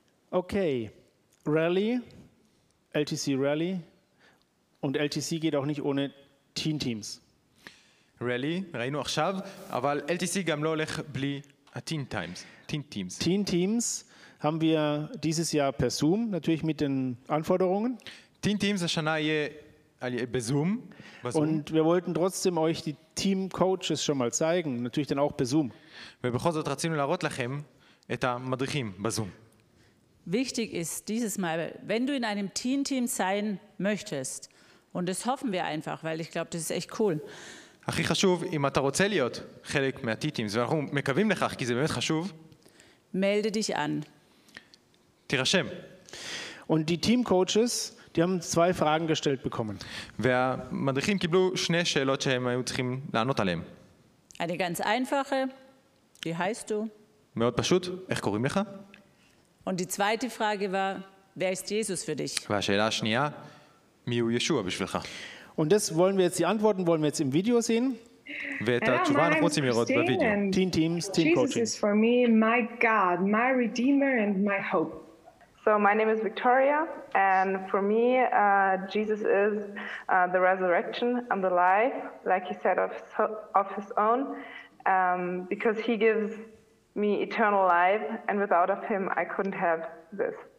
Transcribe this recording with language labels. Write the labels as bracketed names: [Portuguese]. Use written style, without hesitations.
[German] Okay, Rally, LTC Rally, und LTC geht auch nicht ohne Teen Teams. [Hebrew] Rally, ראינו עכשיו, אבל LTC גם לא הולך בלי Teen Teams. [German] Teen Teams. Teen Teams haben wir dieses Jahr per Zoom, natürlich mit den Anforderungen. [Hebrew] Teen Teams השנה יהיה בזום. [German] Und wir wollten trotzdem euch die Team Coaches schon mal zeigen, natürlich dann auch per Zoom. [Hebrew] ובכל זאת רצינו להראות לכם את המדריכים בזום. [German] Wichtig ist dieses Mal, wenn du in einem Teen Team sein möchtest, und das hoffen wir einfach, weil ich glaube, das ist echt cool. [Hebrew] הכי חשוב, אם אתה רוצה להיות חלק מהטי-טימס, ואנחנו מקווים לכך, כי זה באמת חשוב. [German] Melde dich an. [Hebrew] תירשם. [German] Und die Team-Coaches, die haben zwei Fragen gestellt bekommen. [Hebrew] והמדריכים קיבלו שני שאלות שהם היו צריכים לענות עליהם. [German] Eine ganz einfache. Wie heißt du? [Hebrew] מאוד פשוט. איך קוראים לך? [German] Und die zweite Frage war, wer ist Jesus für dich? [Hebrew] והשאלה השנייה, מי הוא ישוע בשבילך? [German] Und das wollen wir jetzt, die Antworten wollen wir jetzt im Video sehen. [English] Teen Teams, Team Jesus Coaching. Jesus is for me my God, my Redeemer and my hope. So my name is Victoria and for me Jesus is the resurrection and the life, like he said of his own, because he gives me eternal life and without of him I couldn't have this.